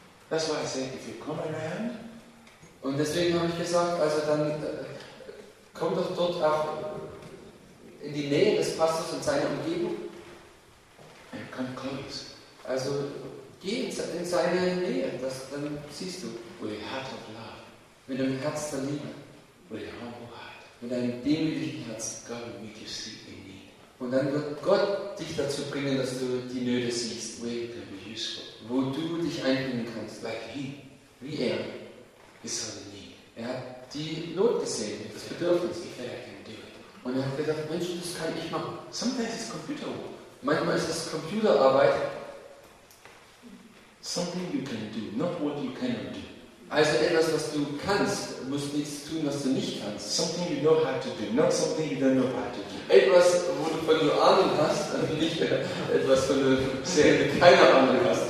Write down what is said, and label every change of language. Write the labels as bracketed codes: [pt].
[en] That's why I say, if you come around, [de] und deswegen habe ich gesagt, also dann komm doch dort auch in die Nähe des Pastors und seiner Umgebung. [en] And come close. [de] Also geh in seine Nähe, das, dann siehst du. [en] With a heart of love. [de] Mit einem Herz der Liebe. [en] With a humble heart. [de] Mit einem demütigen Herz. [en] God will make you see the need. [de] Und dann wird Gott dich dazu bringen, dass du die Nöte siehst. [en] Where you can be useful. [de] Wo du dich einbringen kannst, [en] like he, [de] wie er, [en] is on the need. [de] Er hat die Not gesehen, das yeah. Bedürfnis. [en] If I can do it. [de] Und er hat gedacht, Mensch, das kann ich machen. [en] Sometimes it's computer work. [de] Manchmal ist es Computerarbeit. [en] Something you can do, not what you cannot do. [de] Also etwas, was du kannst, musst nichts tun, was du nicht kannst. [en] Something you know how to do, not something you don't know how to do. [de] Etwas, wo du von nur Ahnung hast, also nicht etwas, von nur sehr keine Ahnung hast.